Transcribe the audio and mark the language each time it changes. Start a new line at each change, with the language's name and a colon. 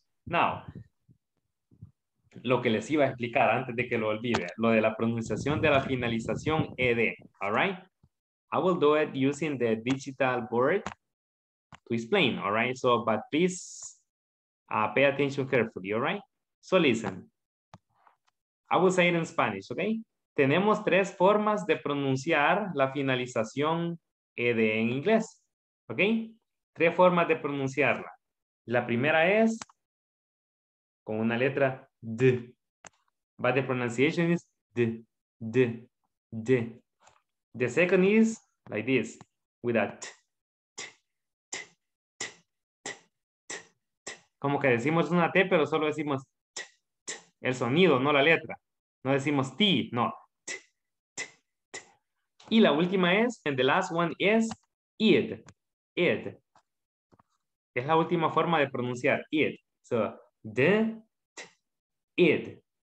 Spanish: Now, lo que les iba a explicar antes de que lo olvide, lo de la pronunciación de la finalización ED, all right?
English: I will do it using the digital board to explain, all right? So, but please pay attention carefully, all right? So listen, I will say it in Spanish, okay?
Spanish: Tenemos tres formas de pronunciar la finalización ED en inglés, okay? Tres formas de pronunciarla. La primera es con una letra D.
English: But the pronunciation is D, D, D. The second is like this, with a T, T, T, T, T, T, T.
Spanish: Como que decimos una T, pero solo decimos T, T, el sonido, no la letra. No decimos T, no. T, T, T. Y la última es,
English: and the last one is ID, ID.
Spanish: Es la última forma de pronunciar it. So, the, t, id.